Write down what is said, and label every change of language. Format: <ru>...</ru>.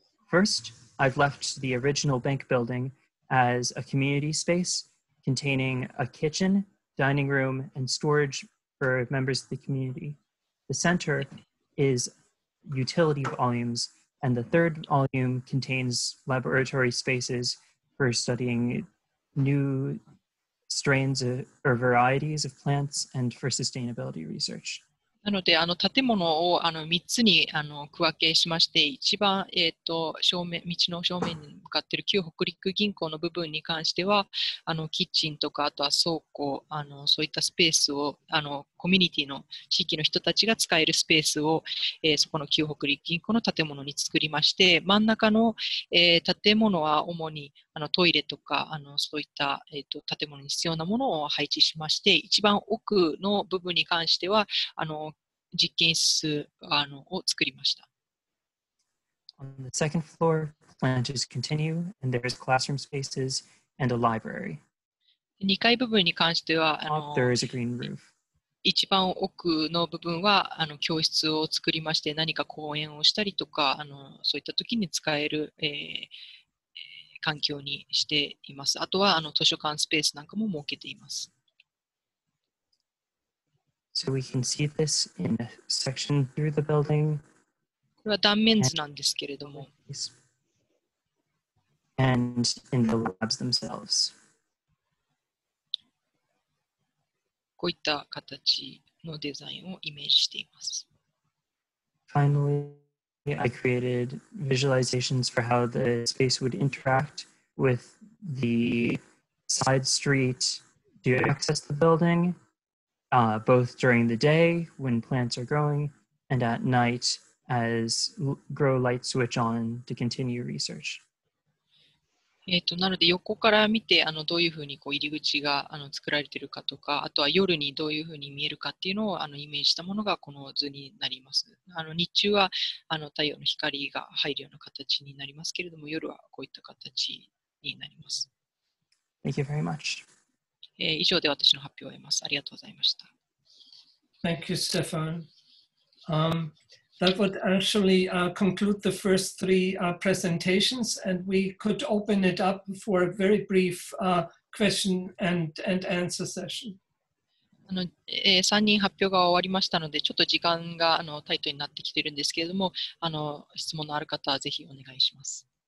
<en>First, I've left the original bank building as a community space containing a kitchen, dining room, and storage for members of the community. The center is utility volumes, and the third volume contains laboratory spaces for studying new strains of, or varieties of plants and for sustainability research.</en> <ja>なのであの建物をあの3つにあの区分けしまして、一番、正面道の正面に向かっている旧北陸銀行の部分に関しては、あのキッチンとかあとは倉庫、あのそういったスペースをあのコミュニティの地域の人たちが使えるスペースを、そこの旧北陸銀行の建物に作りまして、真ん中の、建物は主にあのトイレとかあのそういった、建物に必要なものを配置しまして、一番奥の部分に関しては、あの実験室あのを作りました。</ja> <en>On the second floor, planters continue, and there's classroom spaces and a library.</en> <ja>2階部分に関しては、あの</ja> <en>there is a green roof.</en> <ja>一番奥の部分はあの教室を作りまして、何か講演をしたりとか、あのそういった時に使える、環境にしています。あとはあの図書館スペースなんかも設けています。</ja> <en>So we can see this in a section through the building.</en> <ja>これは断面図なんですけれども。</ja> <en>And in the labs themselves.</en> <ja>こういった形のデザインをイメージしています。</ja> <en>Finally, I created visualizations for how the space would interact with the side street to access the building. Both during the day when plants are growing and at night as grow lights switch on to continue research.</en> <ja>なので横から見てあのどういうふうにこう入り口があの作られているかとか、あとは夜にどういうふうに見えるかっていうのをあのイメージしたものがこの図になります。あの日中はあの太陽の光が入るような形になりますけれども、夜はこういった形になります。</ja> <en>Thank you very much.</en> <ja>以上で私の発表を終えます。ありがとうございました。</ja> <en>Thank you, Stefan. That would actually conclude the first three presentations, and we could open it up for a very brief question and answer session.</en> <ja>あの、3人発表が終わりましたので、ちょっと時間があのタイトになってきているんですけれども、あの質問のある方はぜひお願いします。</ja>